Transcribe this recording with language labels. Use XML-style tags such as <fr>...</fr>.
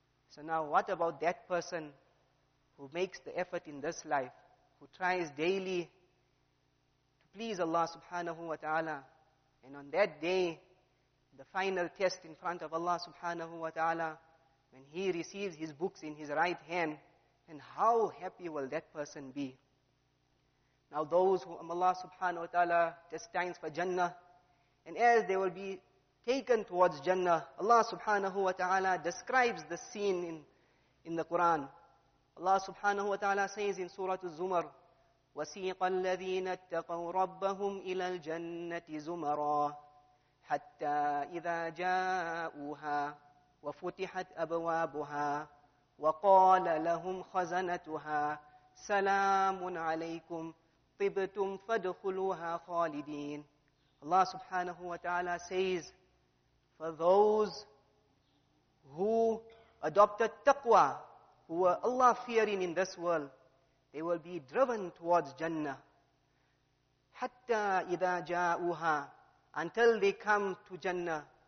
<en>So now what about that person who makes the effort in this life, who tries daily to please Allah subhanahu wa ta'ala, and on that day, the final test in front of Allah subhanahu wa ta'ala, when he receives his books in his right hand, then how happy will that person be? Now those whom Allah subhanahu wa ta'ala destines for Jannah, and as they will be taken towards Jannah, Allah subhanahu wa ta'ala describes the scene in the Quran. Allah subhanahu wa ta'ala says in Surah Az-Zumar,</en> <ar>وَسِيقَ الَّذِينَ اتَّقَوْا رَبَّهُمْ إِلَى الْجَنَّةِ زُمَرًا حَتَّى إِذَا جَاءُوهَا وَفُتِحَتْ أَبْوَابُهَا وَقَالَ لَهُمْ خَزَنَتُهَا سَلَامٌ عَلَيْكُمْ طِبْتُمْ فَادْخُلُوهَا خَالِدِينَ.</ar> <en>Allah subhanahu wa ta'ala says, for those who adopted taqwa, who were Allah fearing in this world, they will be driven towards Jannah.</en> <ar>حَتَّى إِذَا جَاءُوهَا,</ar> <en>until they come to Jannah.</en>